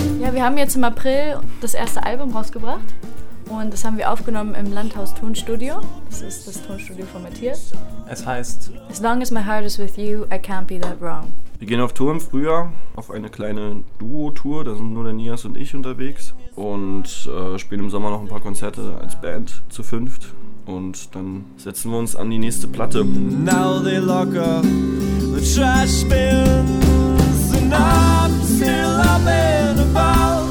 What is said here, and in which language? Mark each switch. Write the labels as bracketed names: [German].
[German] Wir haben jetzt im April das erste Album rausgebracht und das haben wir aufgenommen im Landhaus Tonstudio. Das ist das Tonstudio von Matthias. Es heißt [English] As long as my heart is with you, I can't be that wrong. [German] Wir gehen auf Tour im Frühjahr, auf eine kleine Duo-Tour, da sind nur der Nias und ich unterwegs und spielen im Sommer noch ein paar Konzerte als Band zu fünft und dann setzen wir uns an die nächste Platte. [English] Now they lock up the trash bins and I'm still up in the bar.